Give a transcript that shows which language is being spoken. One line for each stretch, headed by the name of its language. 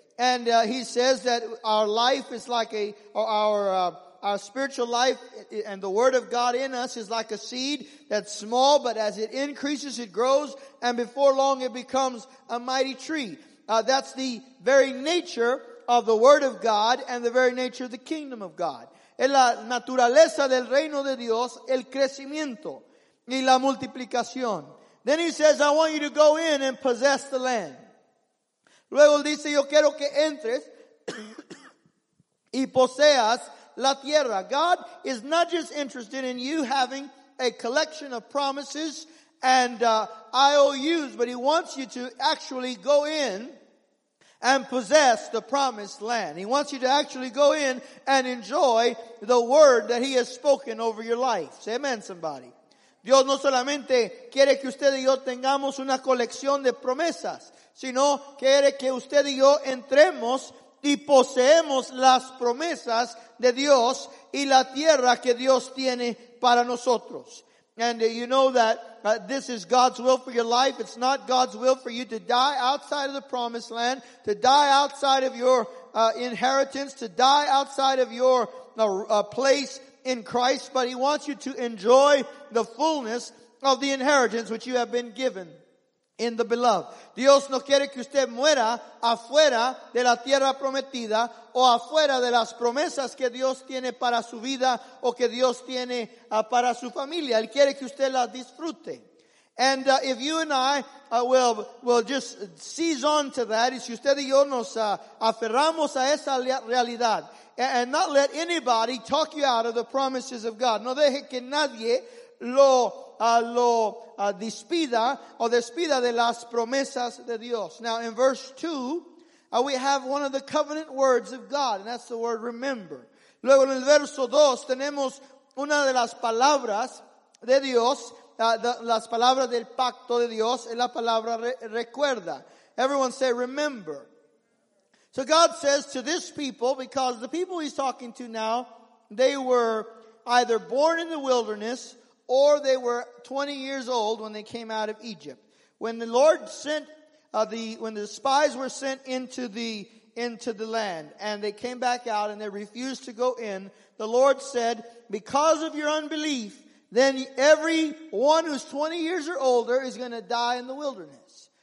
English: And he says that our life is like our spiritual life and the word of God in us is like a seed that's small, but as it increases, it grows, and before long it becomes a mighty tree. That's the very nature of the word of God and the very nature of the kingdom of God.
Spanish: Es la naturaleza del reino de Dios, el crecimiento y la multiplicación.
English: Then he says, I want you to go in and possess the land.
Spanish: Luego dice, yo quiero que entres y poseas la tierra.
English: God is not just interested in you having a collection of promises and IOUs, but he wants you to actually go in and possess the promised land. He wants you to actually go in and enjoy the word that he has spoken over your life. Say amen, somebody.
Spanish: Dios no solamente quiere que usted y yo tengamos una colección de promesas, sino quiere que usted y yo entremos y poseemos las promesas de Dios y la tierra que Dios tiene para nosotros.
English: And you know that this is God's will for your life. It's not God's will for you to die outside of the promised land, to die outside of your inheritance, to die outside of your place in Christ, but he wants you to enjoy the fullness of the inheritance which you have been given in the beloved.
Spanish: Dios no quiere que usted muera afuera de la tierra prometida o afuera de las promesas que Dios tiene para su vida o que Dios tiene para su familia. Él quiere que usted la disfrute.
English: And if you and I will just seize on to that,
Spanish: y si usted y yo nos aferramos a esa realidad,
English: and not let anybody talk you out of the promises of God.
Spanish: No deje que nadie despida de las promesas de Dios.
English: Now in verse 2, we have one of the covenant words of God, and that's the word remember.
Spanish: Luego en el verso 2 tenemos una de las palabras de Dios, las palabras del pacto de Dios, es la palabra recuerda.
English: Everyone say remember. So God says to this people, because the people he's talking to now, they were either born in the wilderness or they were 20 years old when they came out of Egypt. When the Lord sent when the spies were sent into the land and they came back out and they refused to go in, the Lord said, because of your unbelief, then everyone who's 20 years or older is going to die in the wilderness.